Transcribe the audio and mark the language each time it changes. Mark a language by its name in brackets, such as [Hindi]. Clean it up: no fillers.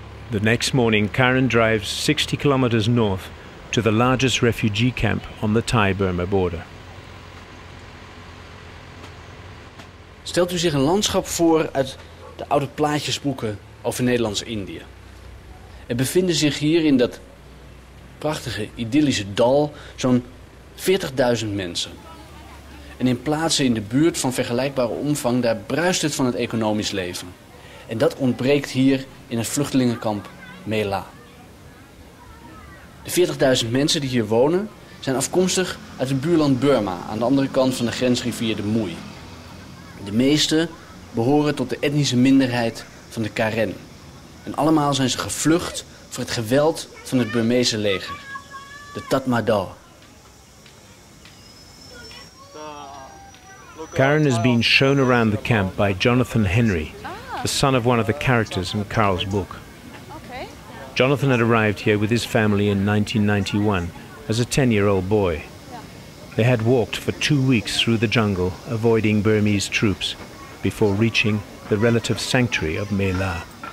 [English] The next morning, Karin drives 60 kilometers north to the largest refugee camp on the Thai-Burma border. [Dutch] Stelt u zich een landschap voor uit de oude plaatjesboeken over Nederlands-Indië. Er bevinden zich hier in dat prachtige, idyllische dal zo'n 40.000 mensen. En in plaatsen in de buurt van vergelijkbare omvang, daar bruist het van het economisch leven. En dat ontbreekt hier in het vluchtelingenkamp Mela. De 40.000 mensen die hier wonen zijn afkomstig uit het buurland Burma, aan de andere kant van de grensrivier de Mui. De meeste behoren tot de etnische minderheid van de Karen. En allemaal zijn ze gevlucht voor het geweld van het Burmese leger, de Tatmadaw. [English] Karen is being shown around the camp by Jonathan Henry, the son of one of the characters in Karel's book. Jonathan had arrived here with his family in 1991 as a 10-year-old boy. They had walked for 2 weeks through the jungle, avoiding Burmese troops, before reaching the relative sanctuary of Mela.